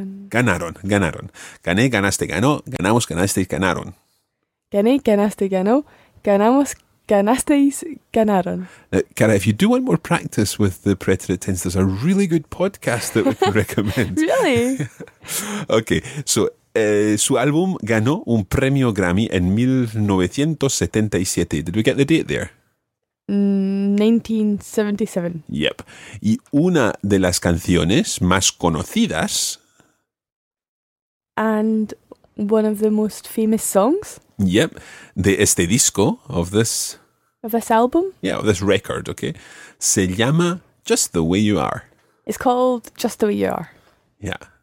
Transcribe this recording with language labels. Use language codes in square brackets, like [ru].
[es] Ganaron, ganaron. Gané, ganaste, ganó. Ganamos, ganasteis, ganaron. Gané, ganaste, ganó. Ganamos, ganasteis, ganaron. [en] Cara, if you do want more practice with the preterite tense, there's a really good podcast that we can recommend. Really? [es] Okay, so su álbum ganó un premio Grammy en 1977. [en] Did we get the date there? 1977. Yep. [es] Y una de las canciones más conocidas. [en] And one of the most famous songs. [es] Yep. De este disco, [en] of this... Of this album? Yeah, of this record, okay? [es] Se llama Just the Way You Are. [en] It's called Just the Way You Are. Yeah.